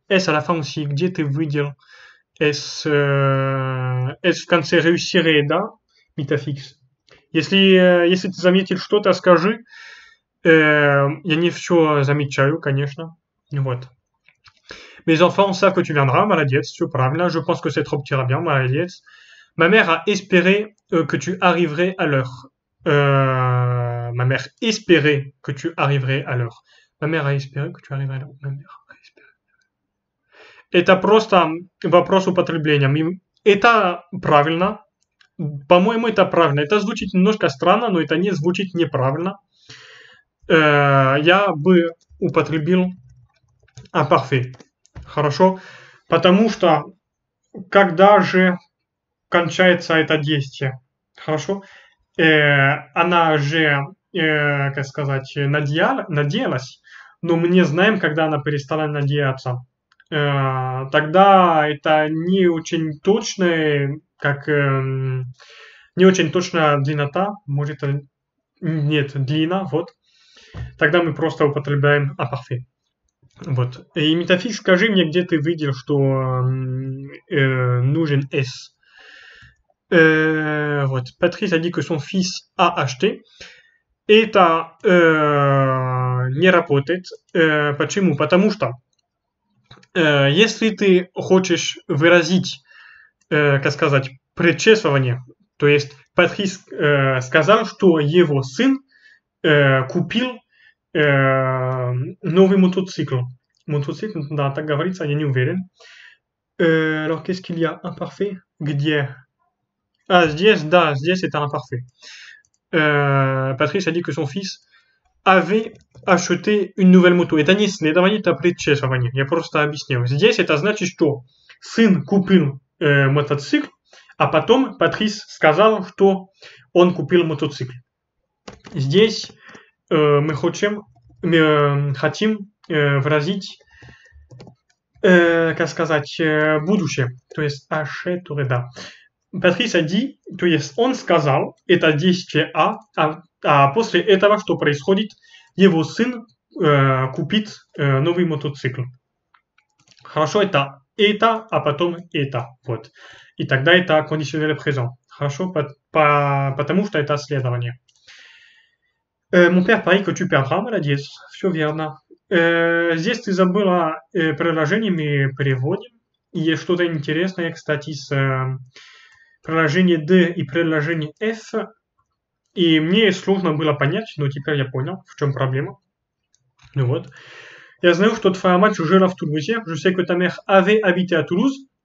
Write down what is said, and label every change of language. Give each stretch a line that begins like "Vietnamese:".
French: S à la fin aussi.
Russian: Где ты выделил? S в конце réussirait, да? Метафикс. Если ты заметил что-то, скажи. Я не все замечаю, конечно.
French: Вот. Mes enfants savent que tu viendras.
Russian: Молодец, все правильно.
French: Je pense que cette robe t'ira bien.
Russian: Молодец.
French: Ma mère a espéré que tu arriverais à l'heure. Ma mère espérait que tu arriverais à l'heure. Ma mère a espéré que tu arriverais à l'heure. Ma mère a espéré.
Russian: Это просто вопрос употребления. Это правильно. По-моему, это правильно. Это звучит немножко странно, но это не звучит неправильно. Я бы употребил imparfait. Хорошо. Потому что когда же кончается это действие? Хорошо. Она же, как сказать, наделась. Но мы не знаем, когда она перестала надеяться. Тогда это не очень точная, как не очень точная длина, может, нет, длина, вот. Тогда мы просто употребляем imparfait. Вот. И метафиш, скажи мне, где ты видел, что нужен S. Вот.
French: Патрис a dit que son fils a acheté.
Russian: Это не работает. Почему? Потому что если ты хочешь выразить, как сказать, предчествование, то есть Патрис сказал, что его сын купил новый мотоцикл. Мотоцикл, да, так говорится, я не уверен.
French: Alors, qu'est-ce qu'il y a? Imparfait?
Russian: Где? А, здесь, да, здесь это imparfait.
French: Patrice a dit que son fils avait acheté une nouvelle moto.
Russian: Это не следование, это предчествование. Я просто объясню. Здесь это значит, что сын купил мотоцикл, а потом Патрис сказал, что он купил мотоцикл. Здесь мы хотим выразить, как сказать, будущее. То есть acheté, да. Патрис
French: a dit,
Russian: то есть он сказал, это действие а после этого, что происходит, его сын купит новый мотоцикл. Хорошо, это, а потом это, вот. И тогда это conditionnel présent. Хорошо, потому что это следование.
French: Mon père parie que tu perdras,
Russian: молодец. Все верно. Здесь ты забыла предложение, мы переводим. И есть что-то интересное, кстати, с предложением «de» и предложением «f». И мне сложно было понять, но теперь я понял, в чем проблема. Ну вот. Я знаю, что твоя мать жила в Тулузе.
French: Je sais que ta mère avait habité à Toulouse.